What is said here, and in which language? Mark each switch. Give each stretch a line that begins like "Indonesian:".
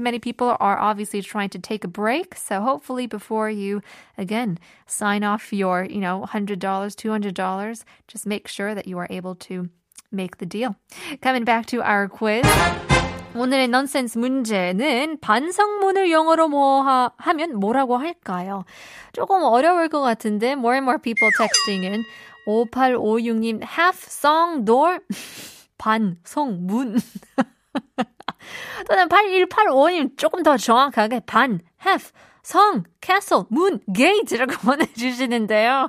English: Many people are obviously trying to take a break. So hopefully before you, again, sign off your, you know, $100, $200, just make sure that you are able to make the deal. Coming back to our quiz.
Korean: 오늘의 nonsense 문제는 반성문을 영어로 하면 뭐라고 할까요? 조금 어려울 것 같은데
English: more and more people texting in. 5856님, half song door.
Korean: 반성문 또는 8185님 조금 더 정확하게 반, half, 성, castle, 문, gate라고 보내주시는데요.